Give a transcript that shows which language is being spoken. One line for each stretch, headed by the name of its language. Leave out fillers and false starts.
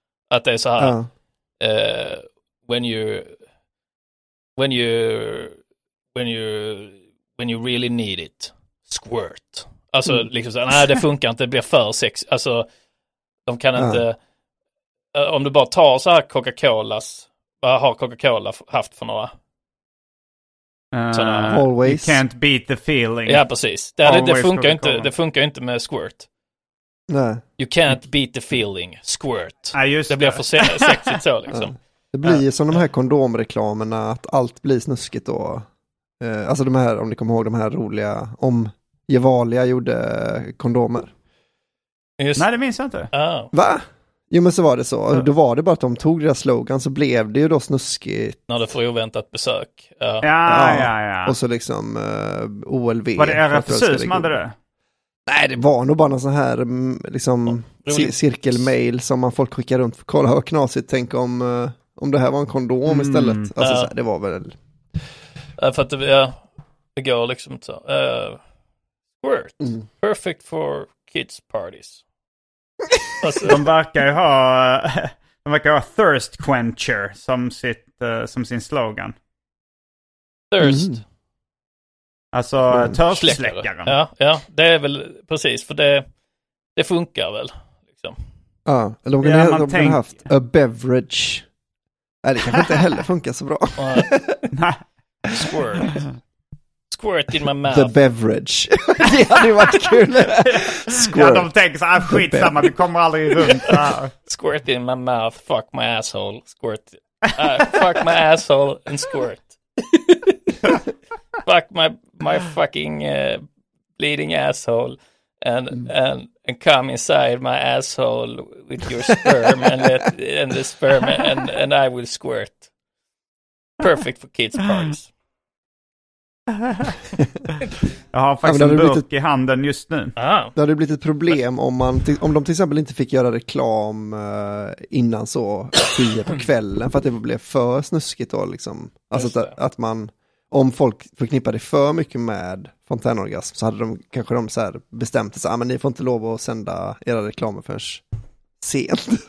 Swedish: Att det är så här
English: when you really need it, squirt.
Swedish: Alltså liksom så, nej det funkar inte, det blir för sex. Alltså, de kan inte... Om du bara tar så här Coca-Colas... Vad har Coca-Cola haft för några?
English: Always. You can't beat the feeling.
Swedish: Ja, precis. Det funkar inte med squirt. Nej.
English: You can't beat the feeling, squirt.
Swedish: Nej, just det. Blir för sexigt så liksom. Det blir ju som de här kondomreklamerna, att allt blir snuskigt då. Alltså de här, om ni kommer ihåg, de här roliga... om Gevalia gjorde kondomer. Just... Nej, det minns jag inte. Oh. Va? Jo, men så var det så. Mm. Då var det bara att de tog deras slogan, så blev det ju då snuskigt. När det får oväntat besök. Ja. Och så liksom OLV. Var det RFSU som hade det? Nej, det var nog bara någon sån här liksom cirkelmail som man folk skickar runt för att kolla hur knasigt. Tänk om det här var en kondom istället. Alltså, så här, det var väl... För att det går liksom så... Squirt. Mm.
English: Perfect for kids parties.
Swedish: Alltså. De verkar ha thirst quencher som sin slogan.
English: Thirst. Mm.
Swedish: Alltså törstsläckaren. Ja, ja, det är väl precis, för det funkar väl liksom. Ja, eller om de har haft a beverage. Nej, det kanske inte heller funkar så bra.
English: Squirt. Squirt in my mouth. The beverage.
Swedish: Det hade ju varit kul. Squirt. Ja, de tänker såhär, skitsamma, vi kommer aldrig runt.
English: Squirt in my mouth, fuck my asshole. Squirt. Fuck my asshole and squirt. Fuck my fucking bleeding asshole. And come inside my asshole with your sperm and the sperm and I will squirt. Perfect for kids' parts.
Swedish: Jag har faktiskt en burk i handen just nu. Det hade blivit ett problem om de till exempel inte fick göra reklam innan så 10 på kvällen, för att det blev för snuskigt då liksom. Alltså att man, om folk förknippade för mycket med fontänorgasm, så hade de kanske de så här bestämt sig, men ni får inte lov att sända era reklamer förrän sent.